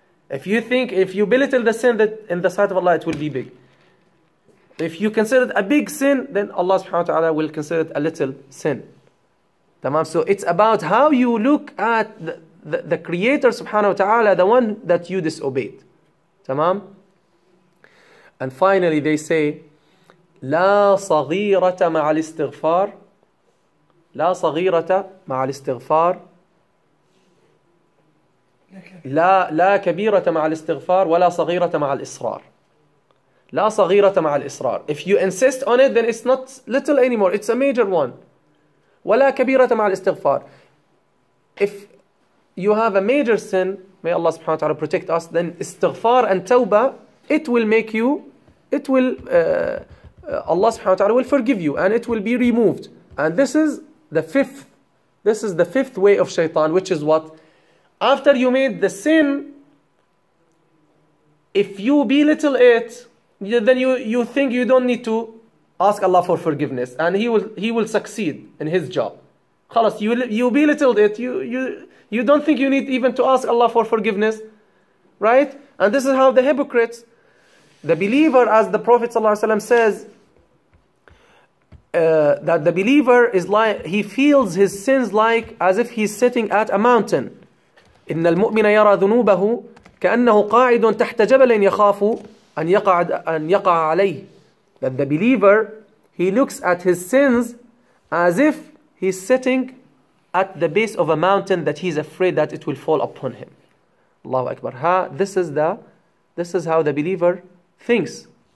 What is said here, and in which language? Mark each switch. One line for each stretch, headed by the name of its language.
English: If you think, if you belittle the sin that in the sight of Allah, it will be big. If you consider it a big sin, then Allah subhanahu wa ta'ala will consider it a little sin. Tamam. So it's about how you look at the creator subhanahu wa ta'ala, the one that you disobeyed. Tamam.
Arabic: And finally they say, لا صغيرة مع الاستغفار. لا صغيرة مع الاستغفار. لا كبيرة مع الاستغفار ولا صغيرة مع الإصرار. لا صغيرة مع الإصرار.
English: If you insist on it, then it's not little anymore, it's a major one.
Arabic: وَلَا كَبِيرَةَ مَعَ الْإِسْتِغْفَارِ.
English: If you have a major sin, may Allah subhanahu wa ta'ala protect us, then istighfar and tawbah, it will make you, it will, Allah subhanahu wa ta'ala will forgive you, and it will be removed. And this is the fifth, this is the fifth way of shaitan, which is what? After you made the sin, if you belittle it, then you think you don't need to ask Allah for forgiveness, and he will succeed in his job. Khalas, you belittled it. You don't think you need even to ask Allah for forgiveness, right? And this is how the hypocrites, the believer, as the Prophet ﷺ says, that the believer is like, he feels his sins like as if he's sitting at a mountain.
Arabic: إن المؤمن يرى ذنوبه كأنه قاعد تحت جبل يخاف أن يقع عليه.
English: That the believer, he looks at his sins as if he's sitting at the base of a mountain that he's afraid that it will fall upon him. Allahu Akbar. Ha, this is how the believer thinks.